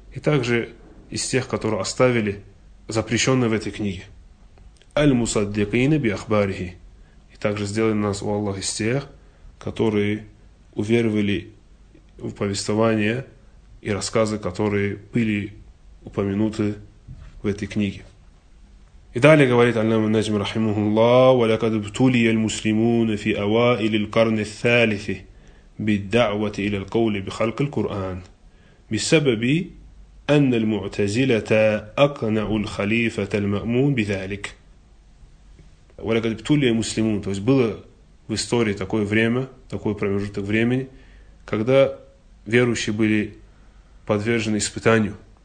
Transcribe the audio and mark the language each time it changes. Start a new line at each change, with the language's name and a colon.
Russian: И также из тех, которые оставили запрещенное в этой книге.
Arabic: المصدقين بأخباره.
Russian: И также сделали нас, у Аллах, из тех, которые уверовали в повествование и рассказы, которые были упомянуты в этой книге. И далее говорит Аль-Имам ан-Наджм рахимахуллах:
Arabic: وَلَقَدْ ابْتُلِيَ الْمُسْلِمُونَ فِي أَوَائِلِ الْقَرْنِ الثَّالِثِ بِالدَّعْوَةِ إِلَى الْقَوْلِ بِخَلْقِ الْقُرْآنِ بِسَبَبِ أَنَّ الْمُعْتَزِلَةَ أَقْنَعُوا الْخَلِيفَةَ الْمَأْمُونَ بِذَلِكَ. وَلَقَدْ ابْتُلِيَ الْمُسْلِمُونَ.
Russian: То есть было в истории такое время, такой промежуток времени, когда верующие были подвержены испытанию.